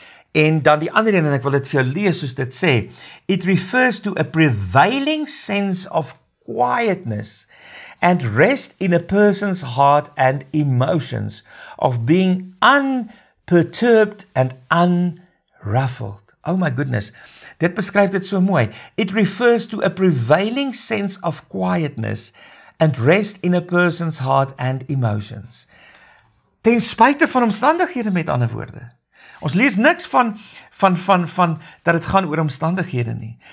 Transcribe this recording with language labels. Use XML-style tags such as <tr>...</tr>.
<af>En dan die ander een, en ek wil dit vir jou lees soos dit sê,</af> <en>it refers to a prevailing sense of quietness and rest in a person's heart and emotions of being unperturbed and unruffled. Oh my goodness,</en> <af>dit beskryf dit so mooi.</af> <en>It refers to a prevailing sense of quietness and rest in a person's heart and emotions.</en> <af>Ten spyte van omstandighede, met ander woorde. Ons lees niks van dat dit gaan oor omstandighede nie.</af>